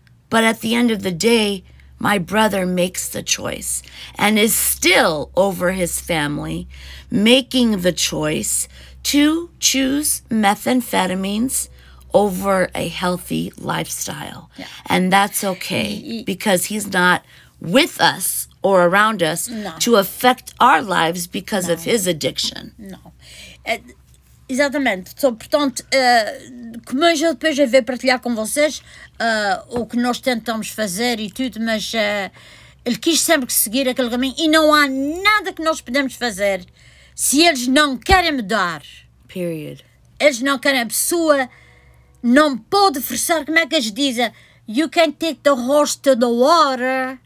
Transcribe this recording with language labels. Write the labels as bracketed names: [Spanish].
[English] But at the end of the day, my brother makes the choice and is still over his family, making the choice to choose methamphetamines over a healthy lifestyle. Yeah. And that's okay, because he's not with us or around us to affect our lives because of his addiction. [Portuguese] No. Exatamente. So, portanto, como eu depois eu vou partilhar com vocês o que nós tentamos fazer e tudo, mas ele quis sempre seguir aquele caminho e não há nada que nós podemos fazer se eles não querem mudar. [English] Period. [Portuguese] Eles não querem, a pessoa não pode forçar, como é que eles dizem? [English] You can take the horse to the water,